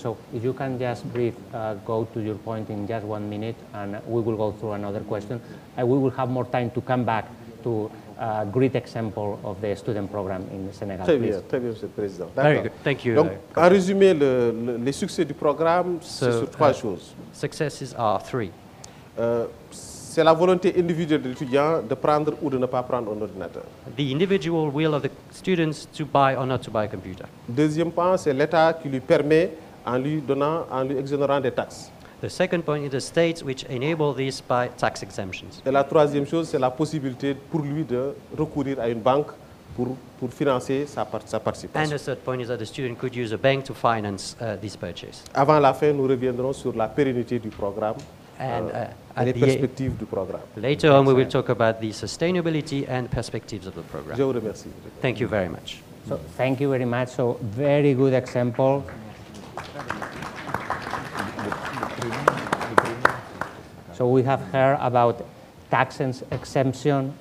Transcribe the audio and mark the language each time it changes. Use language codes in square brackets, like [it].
[en] So if you can just brief, go to your point in just 1 minute, and we will go through another question. And we will have more time to come back to a great example of the student program in Senegal. [fr] Très bien, Monsieur le Président. [en] Very good. Thank you. [fr] Donc, en résumé, les succès du programme, c'est sur trois choses. [en] Successes are three. [fr] C'est la volonté individuelle de l'étudiant de prendre ou de ne pas prendre un ordinateur. [en] The individual will of the students to buy or not to buy a computer. [fr] Deuxième point, c'est l'État qui lui permet en lui exonérant des taxes. [en] The second point is the state which enable this by tax exemptions. [fr] Et la troisième chose, c'est la possibilité pour lui de recourir à une banque pour financer sa participation. [en] And the third point is that the student could use a bank to finance this purchase. [fr] Avant la fin, nous reviendrons sur la pérennité du programme. [en] And [fr] les perspectives du programme. [en] Later on, we will talk about the sustainability and perspectives of the program. [fr] Je vous remercie. [en] Thank you very much. So, thank you very much. So, very good example. So, we have heard about tax exemption.